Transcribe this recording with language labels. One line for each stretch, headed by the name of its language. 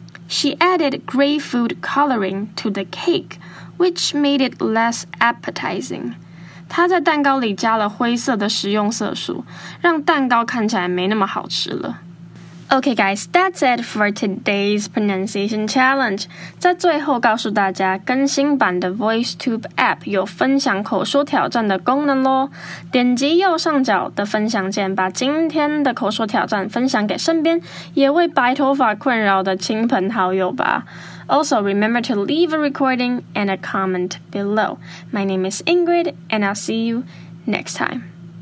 English: She added gray food coloring to the cake, which made it less appetizing.
Chinese: 她在蛋糕里加了灰色的食用色素，让蛋糕看起来没那么好吃了。
English: Okay, guys, that's it for today's pronunciation challenge.
Chinese: 在最后告诉大家，更新版的 VoiceTube app 有分享口说挑战的功能咯。点击右上角的分享键，把今天的口说挑战分享给身边也为白头发困扰的亲朋好友吧。
English: Also, remember to leave a recording and a comment below. My name is Ingrid, and I'll see you next time.